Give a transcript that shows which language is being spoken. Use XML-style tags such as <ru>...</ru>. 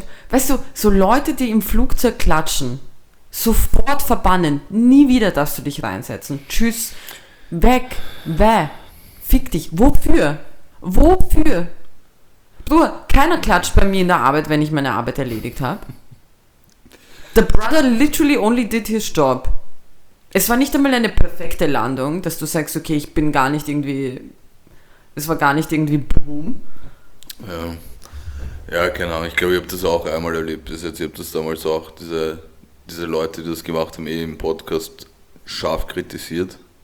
<de>Weißt du, so Leute, die im Flugzeug klatschen, sofort verbannen, nie wieder darfst du dich reinsetzen. Tschüss, weg, weh, fick dich. Wofür? Wofür? Bruder, keiner klatscht bei mir in der Arbeit, wenn ich meine Arbeit erledigt habe.</de> <en>The brother literally only did his job.</en> <de>Es war nicht einmal eine perfekte Landung, dass du sagst, okay, ich bin gar nicht irgendwie, es war gar nicht irgendwie boom. Ja, keine Ahnung, ich glaube, ich habe das auch einmal erlebt. Bis jetzt, ich habe das damals auch, diese Leute, die das gemacht haben, eh im Podcast scharf kritisiert.</de>